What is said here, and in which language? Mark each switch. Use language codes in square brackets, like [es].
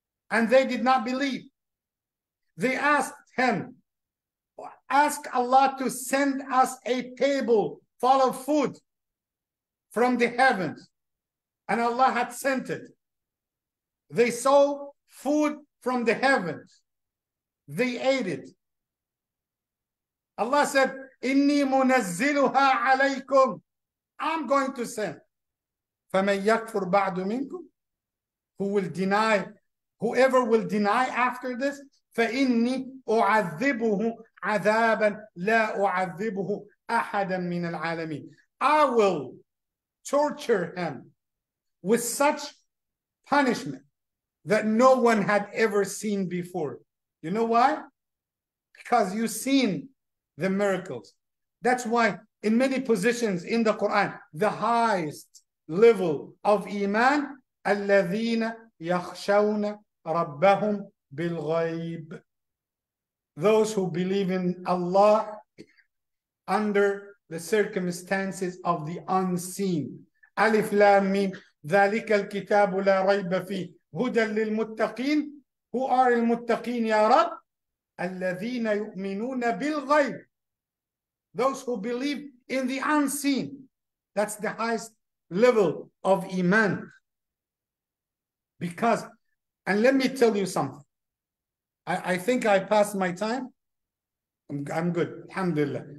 [en] And they did not believe. They asked him, ask Allah to send us a table full of food from the heavens. And Allah had sent it. They saw food from the heavens. They ate it. Allah said, [ar] إِنِّي مُنَزِّلُهَا عَلَيْكُمْ. [en] I'm going to send. [ar] فَمَنْ يَكْفُرْ بَعْدُ مِنْكُمْ. [en] Who will deny Whoever will deny after this, [ar] فإني أعذبه عذابا لا أعذبه أحدا من العالمين. [en] I will torture him with such punishment that no one had ever seen before. You know why? Because you've seen the miracles. That's why in many positions in the Quran, the highest level of iman, [ar] الذين يخشون ربهم بالغيب. [en] Those who believe in Allah under the circumstances of the unseen. [ar] Alif Lam Mim, ذلك الكتاب لا ريب فيه. هدى للمتقين. [en] Who are [ar] المتقين يا رب؟ الذين يؤمنون بالغيب. [en] Those who believe in the unseen. That's the highest level of iman. Because, and let me tell you something. I think I passed my time. I'm good. Alhamdulillah.